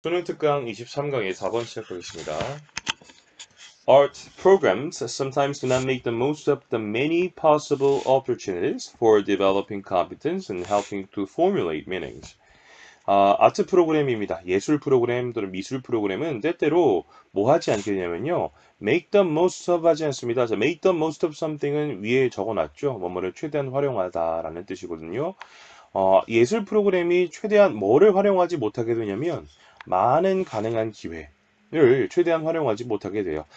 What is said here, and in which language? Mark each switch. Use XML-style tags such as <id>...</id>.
<ko>수능특강 23강의 4번 시작하겠습니다.</ko> <en>Art programs sometimes do not make the most of the many possible opportunities for developing competence and helping to formulate meanings.</en> <ko>아트 프로그램입니다. 예술 프로그램 또는 미술 프로그램은 때때로 뭐 하지 않겠냐면요.</ko> <en>Make the most of</en> <ko>하지 않습니다. 자,</ko> <en>make the most of something은</en> <ko>위에 적어놨죠. 뭐뭐를 최대한 활용하다라는 뜻이거든요. 예술 프로그램이 최대한 뭐를 활용하지 못하게 되냐면 많은 가능한 기회를 최대한 활용하지 못하게 돼요.</ko>